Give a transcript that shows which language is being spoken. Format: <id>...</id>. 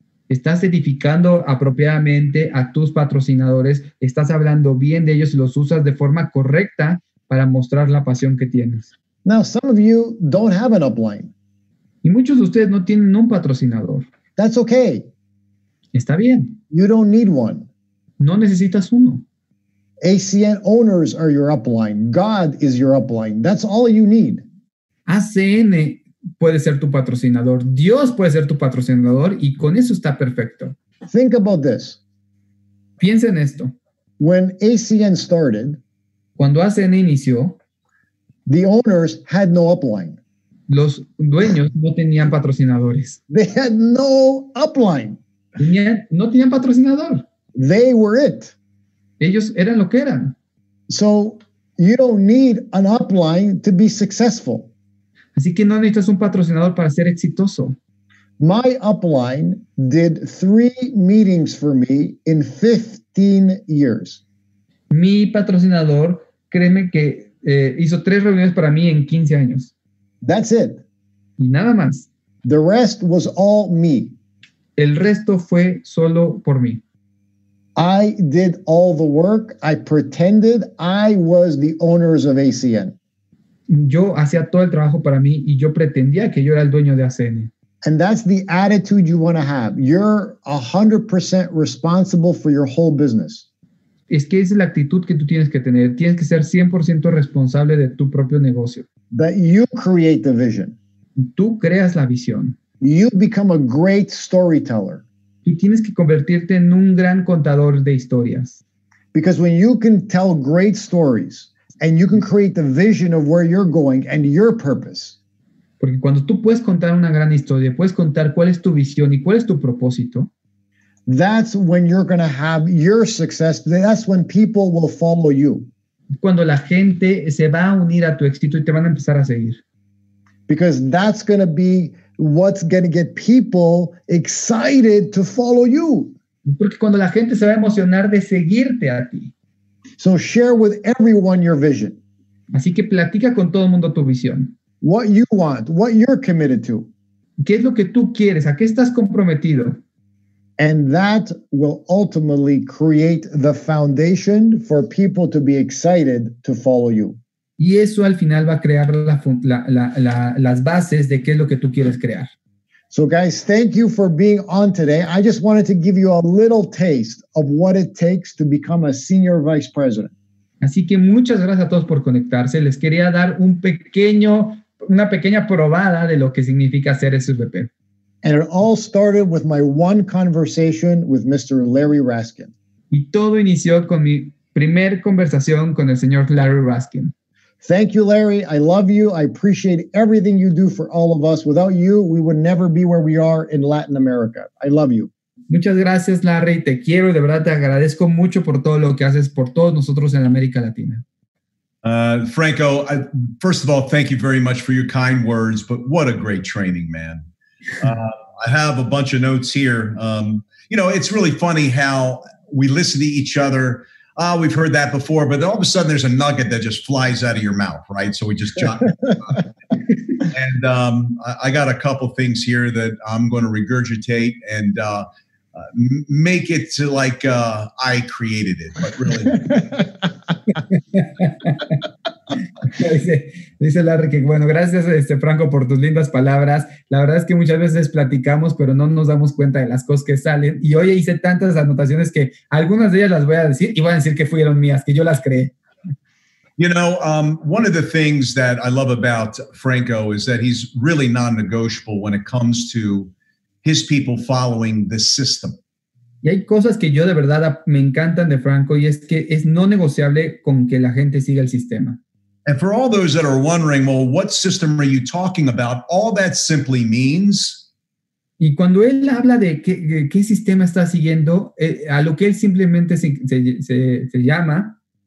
<es>¿Estás edificando apropiadamente a tus patrocinadores? ¿Estás hablando bien de ellos y los usas de forma correcta para mostrar la pasión que tienes?</es> <en>Now, some of you don't have an upline.</en> <es>Y muchos de ustedes no tienen un patrocinador.</es> <en>That's okay.</en> <es>Está bien.</es> <en>You don't need one.</en> <es>No necesitas uno.</es> <en>ACN owners are your upline. God is your upline. That's all you need.</en> <es>ACN puede ser tu patrocinador. Dios puede ser tu patrocinador y con eso está perfecto.</es> <en>Think about this.</en> <es>Piensa en esto.</es> <en>When ACN started,</en> <es>cuando ACN inició,</es> <en>the owners had no upline.</en> <es>Los dueños no tenían patrocinadores.</es> <en>They had no upline.</en> <es>No tenían patrocinador.</es> <en>They were it.</en> <es>Ellos eran lo que eran.</es> <en>So you don't need an upline to be successful.</en> <es>Así que no necesitas un patrocinador para ser exitoso.</es> <en>My upline did 3 meetings for me in 15 years.</en> <es>Mi patrocinador, créeme que hizo 3 reuniones para mí en 15 años.</es> <en>That's it.</en> <es>Y nada más.</es> <en>The rest was all me.</en> <es>El resto fue solo por mí.</es> <en>I did all the work. I pretended I was the owners of ACN.</en> <es>Yo hacía todo el trabajo para mí y yo pretendía que yo era el dueño de ACN.</es> <en>And that's the attitude you want to have. You're 100% responsible for your whole business.</en> <es>Es que esa es la actitud que tú tienes que tener. Tienes que ser 100% responsable de tu propio negocio.</es> <en>That you create the vision.</en> <es>Tú creas la visión.</es> <en>You become a great storyteller.</en> <es>Y tienes que convertirte en un gran contador de historias.</es> <en>Because when you can tell great stories and you can create the vision of where you're going and your purpose.</en> <es>Porque cuando tú puedes contar una gran historia, puedes contar cuál es tu visión y cuál es tu propósito.</es> <en>That's when you're going to have your success. That's when people will follow you.</en> <es>Cuando la gente se va a unir a tu éxito y te van a empezar a seguir.</es> <en>Because that's going to be what's going to get people excited to follow you.</en> <es>Porque cuando la gente se va a emocionar de seguirte a ti.</es> <en>So share with everyone your vision.</en> <es>Así que platica con todo el mundo tu visión.</es> <en>What you want, what you're committed to.</en> <es>¿Qué es lo que tú quieres? ¿A qué estás comprometido?</es> <en>And that will ultimately create the foundation for people to be excited to follow you.</en> <es>Y eso al final va a crear las bases de qué es lo que tú quieres crear.</es> <en>So guys, thank you for being on today. I just wanted to give you a little taste of what it takes to become a senior vice president.</en> <es>Así que muchas gracias a todos por conectarse. Les quería dar una pequeña probada de lo que significa ser SVP.</es> <en>And it all started with my one conversation with Mr. Larry Raskin.</en> <es>Y todo inició con mi primer conversación con el señor Larry Raskin.</es> <en>Thank you, Larry. I love you. I appreciate everything you do for all of us. Without you, we would never be where we are in Latin America. I love you.</en> <es>Muchas gracias, Larry. Te quiero. De verdad, te agradezco mucho por todo lo que haces por todos nosotros en América Latina.</es> <en>Franco, first of all, thank you very much for your kind words, but what a great training, man. I have a bunch of notes here. You know, it's really funny how we listen to each other. We've heard that before, but all of a sudden there's a nugget that just flies out of your mouth, right? So we just jot. And I got a couple things here that I'm going to regurgitate and make it to like I created it, but really.</en> <es>Dice Larry que, bueno, gracias Franco por tus lindas palabras. La verdad es que muchas veces platicamos, pero no nos damos cuenta de las cosas que salen. Y hoy hice tantas anotaciones que algunas de ellas las voy a decir y voy a decir que fueron mías, que yo las creé.</es> <en>You know, one of the things that I love about Franco is that he's really non-negotiable when it comes to his people following the system.</en> <es>Y hay cosas que yo de verdad me encantan de Franco y es que es no negociable con que la gente siga el sistema.</es> <en>And for all those that are wondering, well, what system are you talking about? All that simply means.</en> <es>Y cuando él habla de qué sistema está siguiendo, a lo que él simplemente se llama.</es>